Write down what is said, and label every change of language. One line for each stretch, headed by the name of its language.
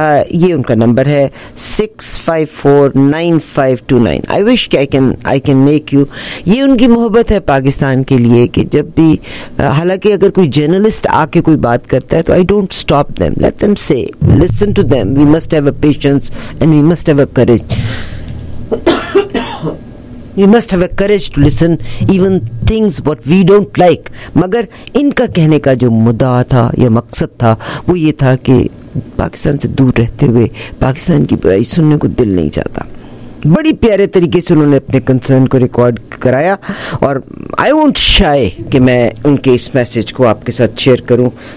Urdu: یہ ان کا نمبر ہے 6549529. یہ ان کی محبت ہے پاکستان کے لیے کہ جب بھی, حالانکہ اگر کوئی جرنلسٹ آ کے کوئی بات کرتا ہے تو
English: I don't stop them, let them say, listen to them, we must have a patience and we must have a courage. We must have a courage to listen even things what we don't like.
Urdu: مگر ان کا کہنے کا جو مدعا تھا یا مقصد تھا وہ یہ تھا کہ پاکستان سے دور رہتے ہوئے پاکستان کی برائی سننے کو دل نہیں چاہتا. بڑی پیارے طریقے سے انہوں نے اپنے کنسرن کو ریکارڈ کرایا, اور
English: I want شائے
Urdu: کہ میں ان کے اس میسج کو آپ کے ساتھ شیئر کروں.